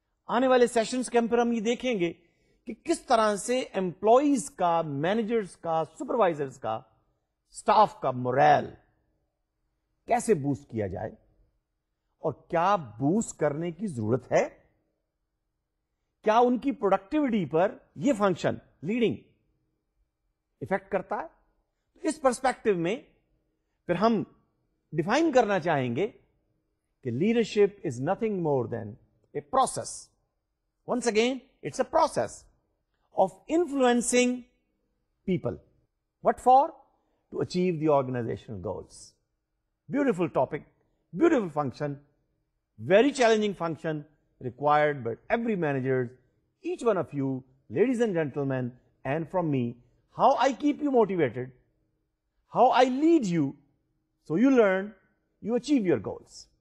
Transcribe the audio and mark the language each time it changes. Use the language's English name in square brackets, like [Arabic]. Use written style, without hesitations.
[Urdu] Aane wale sessions ke andar hum ye dekhenge ki kis tarah se employees ka, managers ka, supervisors ka, staff ka morale کیسے boost کیا جائے اور کیا boost کرنے کی ضرورت ہے, کیا ان کی پروڈکٹیوٹی پر یہ فنکشن لیڈنگ افیکٹ کرتا ہے. اس پرسپیکٹو میں پھر ہم ڈیفائن کرنا چاہیں گے کہ [English] Leadership is nothing more than a process. Once again it's a process of influencing people, what for? To achieve the organisational goals. Beautiful topic, beautiful function, very challenging function required by every manager, each one of you, ladies and gentlemen, and from me, how I keep you motivated, how I lead you, so you learn, you achieve your goals.